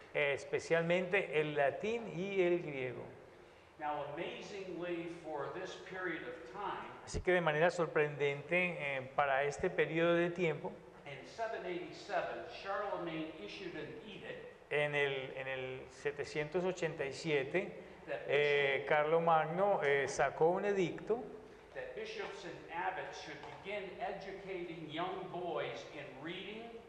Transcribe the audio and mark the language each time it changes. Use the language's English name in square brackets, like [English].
[Spanish] Especialmente el latín y el griego. [English] Now, amazingly, for this period of time, [Spanish] así que de manera sorprendente para este periodo de tiempo, [English] in 787, Charlemagne issued an edict, [Spanish] en el 787, Carlomagno sacó un edicto [English] that bishops and abbots should begin educating young boys in reading,